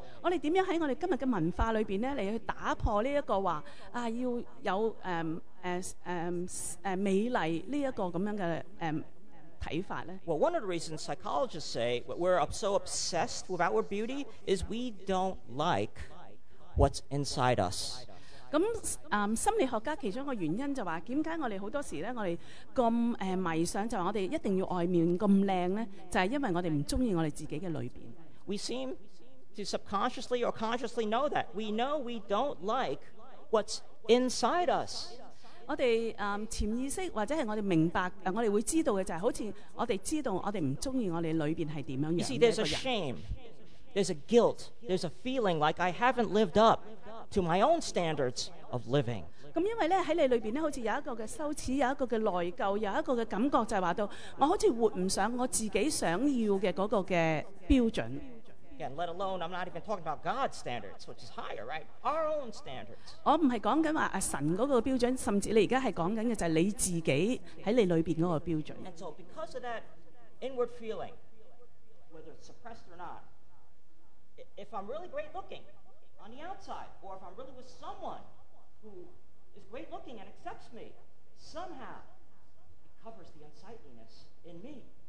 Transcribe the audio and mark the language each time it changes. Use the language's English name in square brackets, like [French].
[Cantonese] 我哋點樣喺我哋今日嘅文化裏邊咧嚟去打破呢一個話啊要有美麗呢一個咁樣嘅睇法咧 [English] ？Well, one of the reasons psychologists say we're so obsessed with outward beauty is we don't like what's inside us. [Cantonese] 咁心理學家其中一個原因就話點解我哋好多時咧，我哋咁迷上就話我哋一定要外面咁靚咧，就係因為我哋唔中意我哋自己嘅裏邊。 [English] We seem to subconsciously or consciously know that we know we don't like what's inside us。 [Cantonese] 我哋潛意識或者係我哋明白我哋會知道嘅就係好似我哋知道我哋唔中意我哋裏邊係點樣樣嘅一個人。 [English] You see, there's a shame, there's a guilt, there's a feeling like I haven't lived up. To my own standards of living. [Cantonese] 咁因為咧喺你裏邊咧，好似有一個嘅羞恥，有一個嘅內疚，有一個嘅感覺，就係話到我好似活唔上我自己想要嘅嗰個嘅標準。 [English] Again, let alone I'm not even talking about God's standards, which is higher, right? Our own standards. [Cantonese] 我唔係講緊話神嗰個標準，甚至你而家係講緊嘅就係你自己喺你裏邊嗰個標準。 [English] And so, because of that inward feeling, whether it's suppressed or not, if I'm really great looking. On the outside, or if I'm really with someone who is great looking and accepts me, somehow it covers the unsightliness in me.